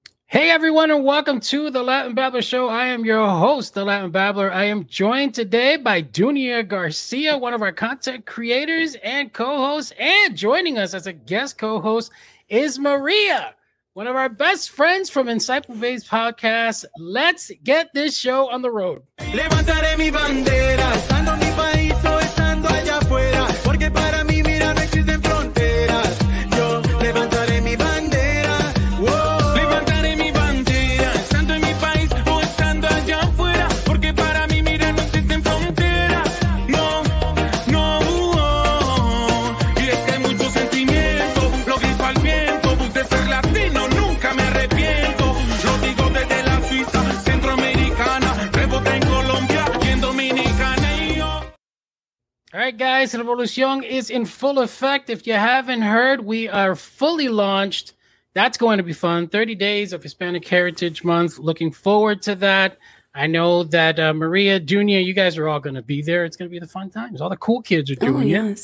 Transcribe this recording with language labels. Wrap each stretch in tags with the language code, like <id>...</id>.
<en>Hey everyone, and welcome to the Latin Babbler Show. I am your host, the Latin Babbler. I am joined today by Dunia Garcia, one of our content creators and co-hosts, and joining us as a guest co-host is Maria, one of our best friends from Insightful Base Podcast. Let's get this show on the road.</en> <es>Levantaré mi bandera, estando en mi país o estando allá afuera, porque para mí mira no existen fronteras. Yo levantaré mi bandera, whoa. Levantaré mi bandera, estando en mi país o estando allá afuera, porque para mí mira no existen fronteras. No, no, whoa. Y es que hay mucho sentimiento, lo grito al viento, de ser latino nunca me arrepiento. Lo digo desde la Suiza, centroamericana, rebota en Colombia y en Dominicana y yo.</es> <en>All right, guys, Revolución is in full effect. If you haven't heard, we are fully launched. That's going to be fun. 30 days of Hispanic Heritage Month. Looking forward to that. I know that Maria, Dunia, you guys are all going to be there. It's going to be the fun times. All the cool kids are doing it.</en>